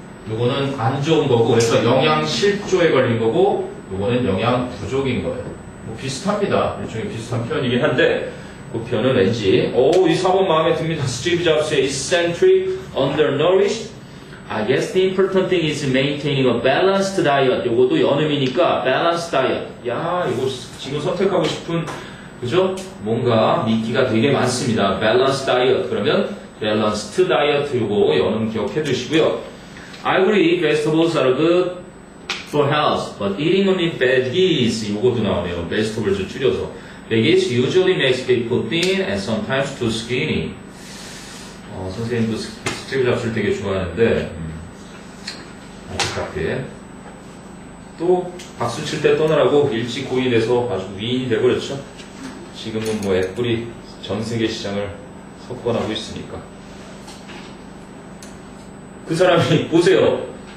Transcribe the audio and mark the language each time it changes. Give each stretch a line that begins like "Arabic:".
Korean: 요거는 안 좋은 거고, 그래서 영양 실조에 걸린 거고, 요거는 영양 부족인 거예요. 뭐 비슷합니다. 일종의 비슷한 표현이긴 한데, 그 표현은 왠지, 오, 이 4번 마음에 듭니다.
English: Steve Jobs의 eccentric, undernourished. I guess the important thing is maintaining a balanced diet.
Korean: 요것도 연음이니까, balanced diet. 야, 이거 지금 선택하고 싶은, 그죠? 뭔가 미끼가 되게 많습니다.
English: Balanced diet. 그러면, balanced diet.
Korean: 요거 연음 기억해 두시고요.
English: I agree, vegetables are good for health, but eating only veggies.
Korean: 요것도 나오네요. Vegetables 줄여서.
English: Veggies usually makes people thin and sometimes too skinny.
Korean: 선생님도 스티브 잡스를 되게 좋아하는데, 안타깝게. 또, 박수 칠 때 떠나라고 일찍 고인해서 아주 위인이 되어버렸죠. 지금은 뭐 애플이 전 세계 시장을 석권하고 있으니까. 그 사람이, 보세요.